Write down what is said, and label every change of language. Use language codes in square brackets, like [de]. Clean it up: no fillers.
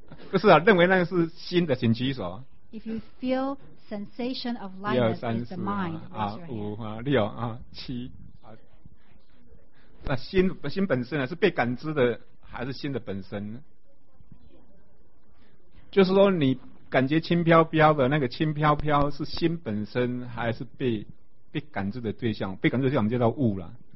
[zh] 不是啊，认为那个是心的请举手。 [en] If you feel sensation of lightness is the mind, raise your hand. 5, 6, 7. [zh] 那心本身呢，是被感知的，还是心的本身？就是说，你感觉轻飘飘的那个轻飘飘，是心本身，还是被感知的对象？被感知的对象我们叫做物了。